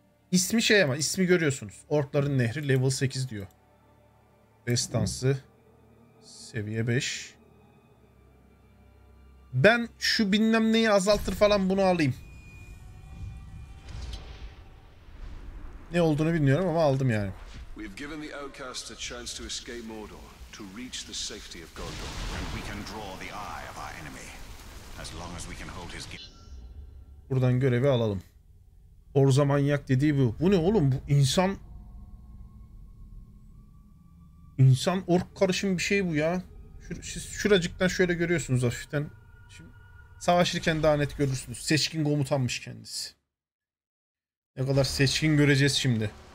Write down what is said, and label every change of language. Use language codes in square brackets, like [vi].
[tr] İsmi şey ama, ismi görüyorsunuz. Orkların Nehri level 8 diyor. Destansı seviye 5. Ben şu bilmem neyi azaltır falan, bunu alayım. Ne olduğunu bilmiyorum ama aldım yani. [en] We've given the outcast a chance to escape Mordor, to reach the safety of Gondor, and we can draw the eye of our enemy as long as we can hold his gaze. [tr] Buradan görevi alalım. Orza manyak dediği bu. Bu ne oğlum? Bu insan, insan ork karışım bir şey bu ya. Siz şuracıktan şöyle görüyorsunuz hafiften. Savaşırken daha net görürsünüz. Seçkin komutanmış kendisi. Ne kadar seçkin göreceğiz şimdi.